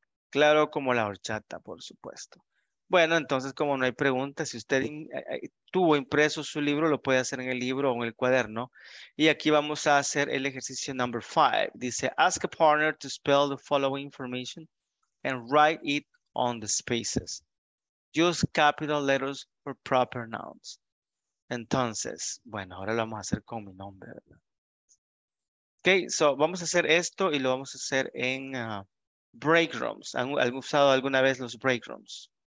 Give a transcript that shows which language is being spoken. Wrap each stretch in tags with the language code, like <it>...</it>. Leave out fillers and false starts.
<es>Claro, como la horchata, por supuesto. Bueno, entonces, como no hay preguntas, si usted tuvo impreso su libro, lo puede hacer en el libro o en el cuaderno. Y aquí vamos a hacer el ejercicio number 5.</es> <en>Dice, ask a partner to spell the following information and write it on the spaces. Use capital letters for proper nouns.</en> <es>Entonces, bueno, ahora lo vamos a hacer con mi nombre, ¿verdad? Ok, so vamos a hacer esto y lo vamos a hacer en... break rooms. ¿Han usado alguna vez los break rooms?</es>